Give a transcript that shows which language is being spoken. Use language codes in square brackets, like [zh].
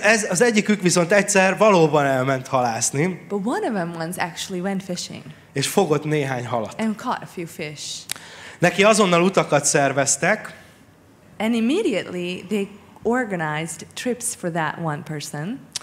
[hu] Az egyikük viszont egyszer valóban elment halászni. [en] But one of them once actually went fishing. [hu] És fogott néhány halat. [en] And caught a few fish. [hu] Neki azonnal utakat szerveztek. [en] And immediately they organized trips for that one person.